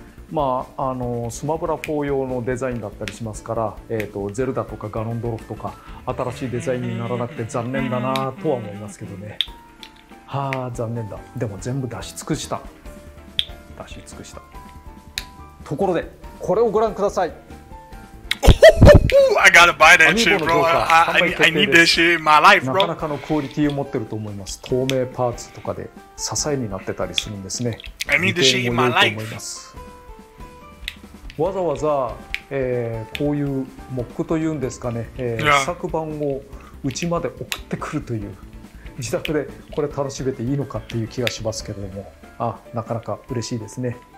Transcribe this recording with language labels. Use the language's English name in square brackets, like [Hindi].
[Japanese] まあ、スマブラ4用のデザインだったりしますから、ゼルダとかガノンドロフとか新しいデザインにならなくて残念だなとは思いますけどね。はあ残念だ。でも全部出し尽くした、出し尽くした。ところでこれをご覧ください。 [English] I gotta buy that shit, bro. I need this shit in my life, bro. [Japanese] なかなかのクオリティを持ってると思います。透明パーツとかで支えになってたりするんですね。 [English] I need this shit in my life. [Japanese] わざわざ、こういうモックというんですかね、試作版をうちまで送ってくるという、自宅でこれ楽しめていいのかっていう気がしますけれども、あなかなか嬉しいですね。